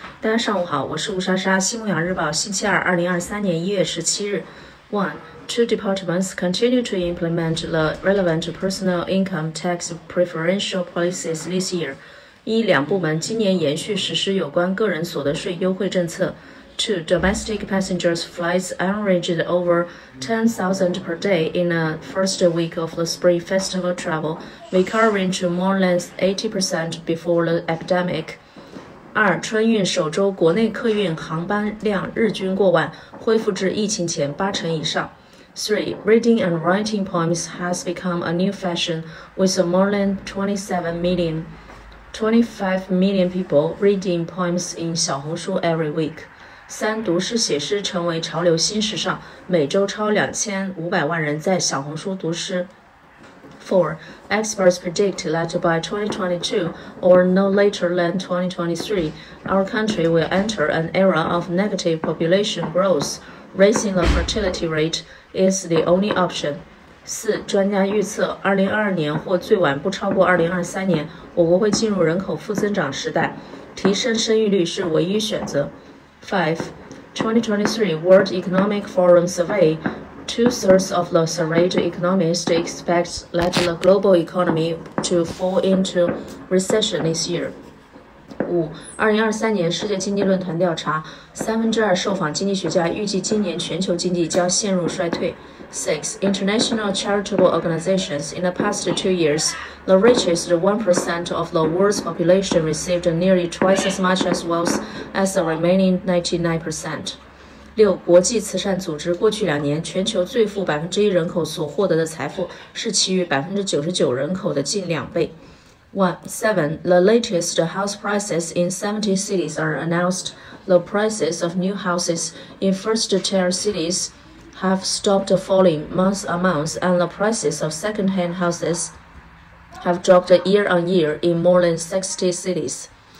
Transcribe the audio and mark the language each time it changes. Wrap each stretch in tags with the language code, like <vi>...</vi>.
<zh>大家上午好，我是吴莎莎，新牧羊日报，星期二，2023年1月17日。</zh> <en>One, two departments continue to implement the relevant personal income tax preferential policies this year.</en> <zh>一，两部门今年延续实施有关个人所得税优惠政策。</zh> <en>Two, domestic passengers flights averaged over 10,000 per day in the first week of the spring festival travel, recovering to more than 80% before the epidemic.</en> <zh>二, 春运首周国内客运航班量日均过万，恢复至疫情前八成以上。</zh> <en>Three, reading and writing poems has become a new fashion with more than 25 million people reading poems in 小红书 every week.</en> <zh>三，读诗写诗成为潮流新时尚，每周超2500万人在小红书读诗。</zh> <en>Four, experts predict that by 2022 or no later than 2023, our country will enter an era of negative population growth. Raising the fertility rate is the only option.</en> <zh>四，专家预测2022年或最晚不超过2023年，我国会进入人口负增长时代，提升生育率是唯一选择。</zh> <en>5. 2023 World Economic Forum Survey. Two-thirds of the surveyed economists expect that the global economy to fall into recession this year.</en> <zh>5. 2023年世界经济论坛调查，2/3受访经济学家预计今年全球经济将陷入衰退。</zh> <en>6. International charitable organizations. In the past 2 years, the richest 1% of the world's population received nearly twice as much as wealth as the remaining 99%. 6.</en> <zh>国际慈善组织过去两年，全球最富1%人口所获得的财富是其余99%人口的近两倍。 7.</zh> <en>The latest house prices in 70 cities are announced. The prices of new houses in first-tier cities have stopped falling month on month, and the prices of second-hand houses have dropped year on year in more than 60 cities.</en>